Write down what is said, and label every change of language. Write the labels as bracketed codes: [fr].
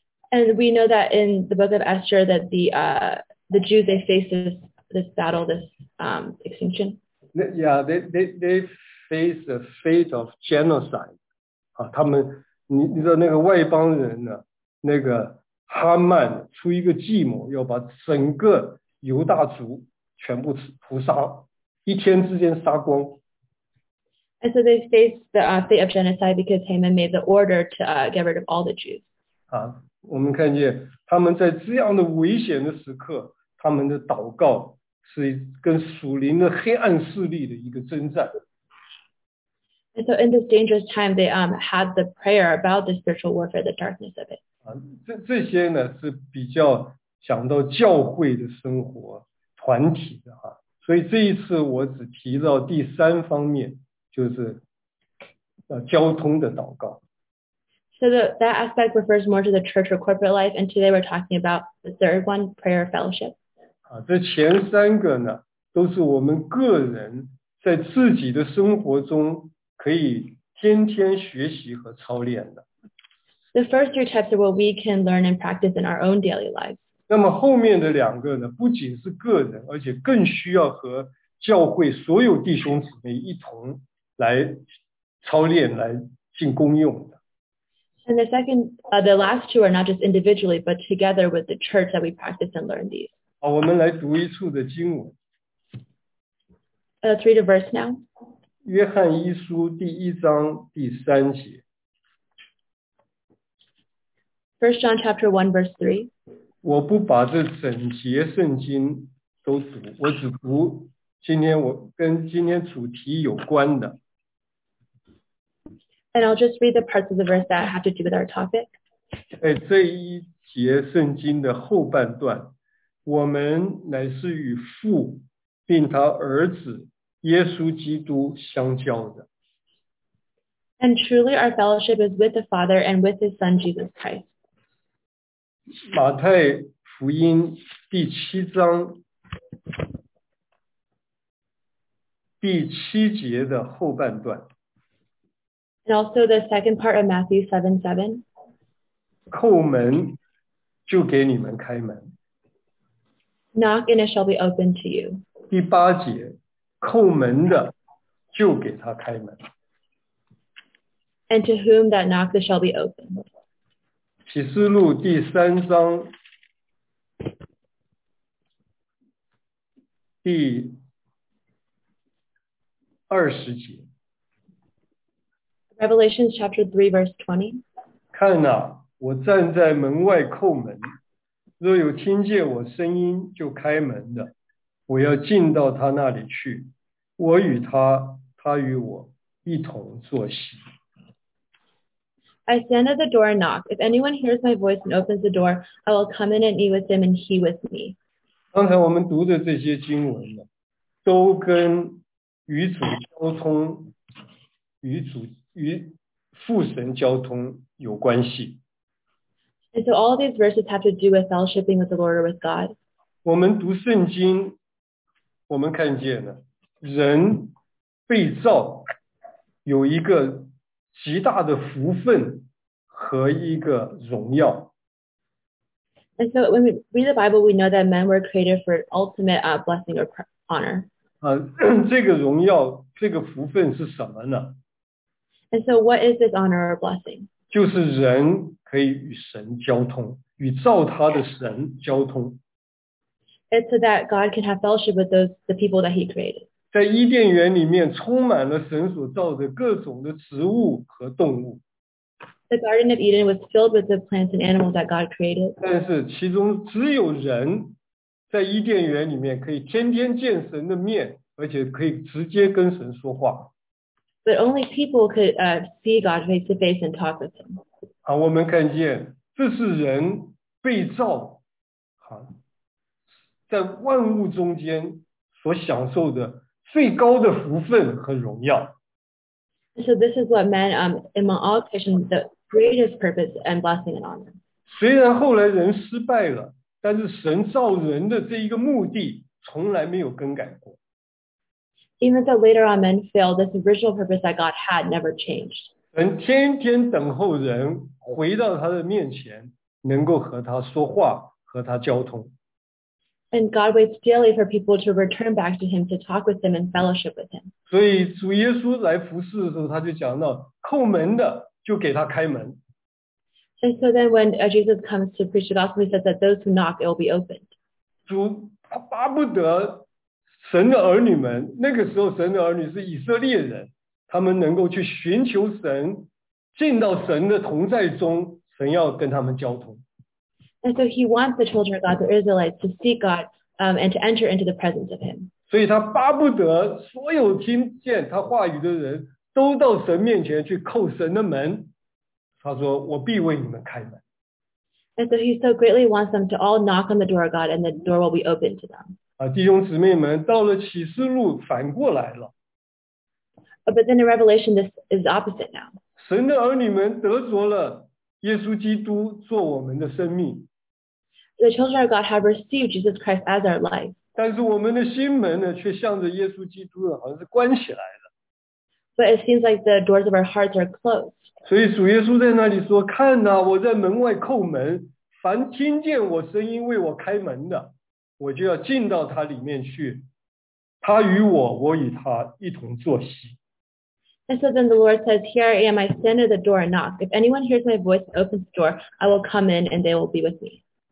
[en] And we know that in the book of Esther that the Jews they face this battle, this extinction. Yeah, they face the fate of genocide. [zh] 他们，你知道那个外邦人呢，那个哈曼出一个计谋，要把整个犹大族全部屠杀，一天之间杀光。 [en] And so they face the fate of genocide because Haman made the order to get rid of all the Jews. [zh] 我们看见他们在这样的危险的时刻，他们的祷告。是跟属灵的黑暗势力的一个征战。 [en] So in this dangerous time, they had the prayer about the spiritual warfare, the darkness of it. [zh] 这些呢是比较讲到教会的生活团体的，所以这一次我只提到第三方面，就是交通的祷告。 [en] So that aspect refers more to the church or corporate life, and today we're talking about the third one, prayer fellowship. [zh] 啊，这前三个呢，都是我们个人在自己的生活中可以天天学习和操练的。 [en] The first three types are what we can learn and practice in our own daily lives. [zh] 那么后面的两个呢，不仅是个人，而且更需要和教会所有弟兄姊妹一同来操练，来进功用的。 [en] And the second, the last two are not just individually, but together with the church that we practice and learn these. [zh] 好，我们来读一处的经文。 [en] Let's read a verse now. [zh] 约翰一书第一章第三节。 [en] First John chapter 1 verse 3. [zh] 我不把这整节圣经都读，我只读今天我跟今天主题有关的。 [en] And I'll just read the parts of the verse that have to do with our topic. [zh] 这一节圣经的后半段，我们乃是与父并他儿子耶稣基督相交的。 [en] And truly our fellowship is with the Father and with his Son Jesus Christ. [zh] 马太福音第七章第七节的后半段。 [en] And also the second part of Matthew 7:7. [zh] 叩门就给你们开门。 [en] Knock and it shall be opened to you. [zh] 第八节，叩门的就给他开门。 [en] And to whom that knock it shall be opened. [zh] 启示录第三章第二十节。 [en] Revelation chapter 3 verse 20. [zh] 看啊，我站在门外叩门，若有听见我声音就开门的，我要进到他那里去，我与他，他与我一同坐席。 [en] I stand at the door and knock. If anyone hears my voice and opens the door, I will come in and eat with him and he with me. [zh] 刚才我们读的这些经文呢，都跟与主交通，与主与父神交通有关系。 [en] And so all these verses have to do with fellowshipping with the Lord or with God. [zh] 我们读圣经，我们看见了人被造有一个极大的福分和一个荣耀。 [en] And so when we read the Bible, we know that men were created for ultimate blessing or honor. [zh] 这个荣耀，这个福分是什么呢？ [en] And so what is this honor or blessing? [zh] 就是人可以与神交通，与造他的神交通。 [en] It's so that God can have fellowship with the people that he created. [zh] 在伊甸园里面充满了神所造的各种的植物和动物。 [en] The Garden of Eden was filled with the plants and animals that God created. [zh] 但是其中只有人在伊甸园里面可以天天见神的面，而且可以直接跟神说话。 [en] But only people could see God face to face and talk with him. [zh] 好，我们看见这是人被造，在万物中间所享受的最高的福分和荣耀。 [en] So this is what man, among all creation, the greatest purpose and blessing and honor. [zh] 虽然后来人失败了，但是神造人的这一个目的从来没有更改过。 [en] Even though later on men failed, this original purpose that God had never changed. [zh] 神天天等候人回到他的面前，能够和他说话，和他交通。 [en] And God waits daily for people to return back to him, to talk with him and fellowship with him. [zh] 所以主耶稣来服侍的时候，他就讲到，叩门的就给他开门。 [en] And so then when Jesus comes to preach the gospel, he says that those who knock, it will be opened. [zh] 主巴不得神的儿女们，那个时候神的儿女是以色列人，他们能够去寻求神，进到神的同在中，神要跟他们交通。 [en] And so he wants the children of God, the Israelites, to seek God, and to enter into the presence of him. [zh] 所以他巴不得所有听见他话语的人都到神面前去叩神的门，他说我必为你们开门。 [en] And so he so greatly wants them to all knock on the door of God, and the door will be opened to them. [zh] 弟兄姊妹们，到了启示录反过来了。 [en] But then in Revelation, this is opposite now. [zh] 神的儿女们得着了耶稣基督做我们的生命。 [en] The children of God have received Jesus Christ as our life. [zh] 但是我们的心门呢，却向着耶稣基督，好像是关起来了。 [en] But it seems like the doors of our hearts are closed. [zh] 所以主耶稣在那里说：“看哪，我在门外叩门，凡听见我声音为我开门的，我就要进到他里面去。他与我，我与他一同坐席。” [en] And so then the Lord says, "Here I am, I stand at the door and knock. If anyone hears my voice and opens the door, I will come in and they will be with me."